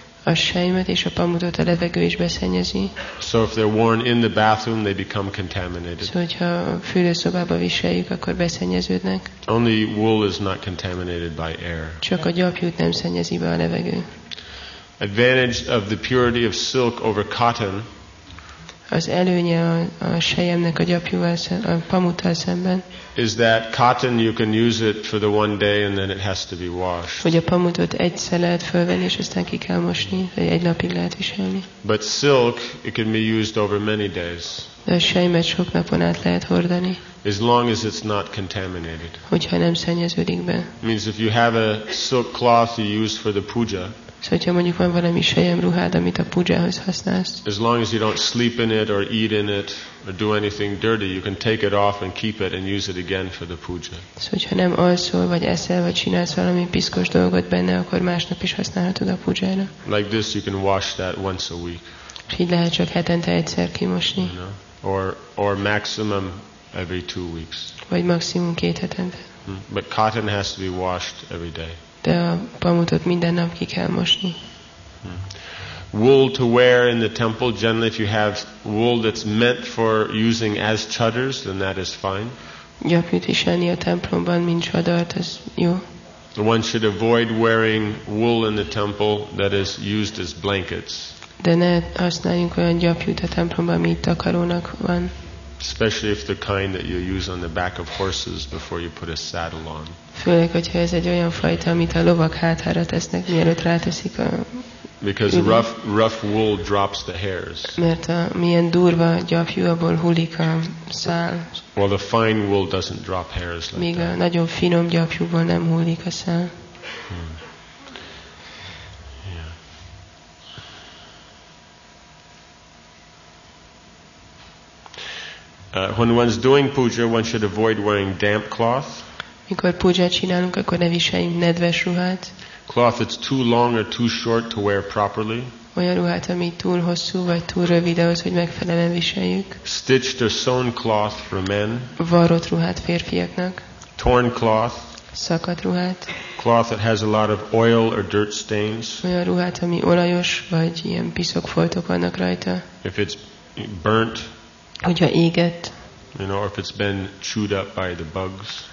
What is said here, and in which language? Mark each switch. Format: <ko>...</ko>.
<hu>A sejmet és a pamutot a levegő is beszennyezi.</hu> <en>So if they're worn in the bathroom, they become contaminated.</en> <hu>Szóval, hogyha fürdőszobába viseljük, akkor beszennyeződnek.</hu> <en>Only wool is not contaminated by air.</en> <hu>Csak a gyapjút nem szennyezi be a levegő.</hu> <en>Advantage of the purity of silk over cotton.</en> <hu>Az előnye a sejemnek a gyapjúval, a pamuttal szemben.</hu> <en>Is that cotton you can use it for the one day and then it has to be washed.</en> <hu>Hogy a pamutot egyszer lehet fölvenni és aztán ki kell mosni, vagy egy napig lehet viselni.</hu> <en>But silk it can be used over many days.</en> <hu>De a sejmet sok napon át lehet hordani.</hu> <en>As long as it's not contaminated.</en> <hu>Hogyha nem szennyeződik be.</hu> <en>Means if you have a silk cloth you use for the puja.</en> <hu>Szóval, hogyha mondjuk van valami sejem ruhád, amit a pujához használsz.</hu> <en>As long as you don't sleep in it or eat in it or do anything dirty, you can take it off and keep it and use it again for the puja.</en> <hu>Szóval, hogyha nem alszol, vagy eszel, vagy csinálsz valami piszkos dolgot benne, akkor másnap is használhatod a pujára.</hu> <en>Like this you can wash that once a week.</en> <hu>És így lehet csak hetente egyszer kimosni.</hu> <en>You know? Or maximum every 2 weeks.</en> <hu>Vagy maximum 2 hetente.</hu> <en>But cotton has to be washed every day.</en> <hu>De a pamutot minden nap ki kell mosni.</hu> <en>Wool to wear in the temple, generally if you have wool that's meant for using as chadars, then that is fine.</en> <hu>Gyapjút viselni a templomban, mint csadart, az jó.</hu> <en>One should avoid wearing wool in the temple that is used as blankets.</en> <hu>De ne használjunk olyan gyapjút a templomban, ami takarónak van.</hu> <en>Especially if the kind that you use on the back of horses before you put a saddle on.</en> <hu>Főleg, hogyha ez egy olyan fajta, amit a lovak hátára tesznek, mielőtt ráteszik a...</hu> <en>Because rough wool drops the hairs.</en> <hu>Mert a milyen durva gyapjú, abból hullik a szál.</hu> <en>Well, the fine wool doesn't drop hairs like</en> <hu>míg</hu> <en>that.</en> <hu>Míg a nagyon finom gyapjúból nem hullik a szál.</hu> <en>When one's doing puja, one should avoid wearing damp cloth.</en> <hu>Mikor pujat csinálunk, akkor ne viseljünk nedves ruhát.</hu> <en>Cloth that's too long or too short to wear properly.</en> <hu>Olyan ruhát, ami túl hosszú vagy túl rövid ahhoz, hogy megfelelően viseljük.</hu> <en>Stitched or sewn cloth for men.</en> <hu>Varrott ruhát férfiaknak.</hu> <en>Torn cloth.</en> <hu>Szakadt ruhát.</hu> <en>Cloth that has a lot of oil or dirt stains.</en> <hu>Olyan ruhát, ami olajos vagy ilyen piszok foltok vannak rajta.</hu> <en>If it's burnt.</en> <hu>Hogyha égett.</hu> <en>You know, if it's been chewed up by the bugs.</en>